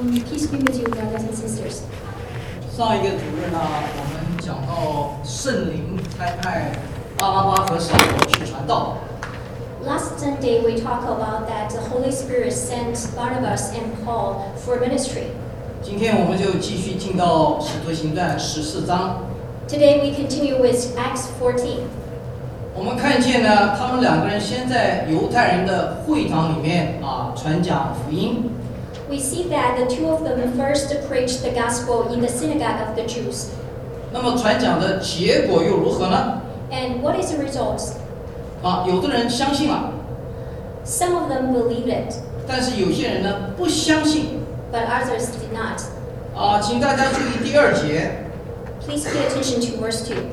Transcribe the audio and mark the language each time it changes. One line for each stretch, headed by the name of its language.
English: Peace be with you, brothers and sisters.
Chinese: 上一个主日呢，我们讲到圣灵差派巴拿巴和扫罗去传道。
English: Last Sunday, we talked about that the Holy Spirit sent Barnabas and Paul for ministry.
Chinese: 今天我们就继续进到使徒行传14章。
English: Today we continue with Acts 14.
Chinese: 我们看见呢，他们两个人先在犹太人的会堂里面传讲福音。
English: We see that the two of them first preached the gospel in the synagogue of the Jews.
Chinese: 那么传讲的结果又如何呢？
English: And what is the result?
Chinese: 有的人相信了。
English: Some of them believed it.
Chinese: 但是有些人呢，不相信。
English: But others did not.
Chinese: 请大家注意第二节。
English: Please pay attention to verse 2.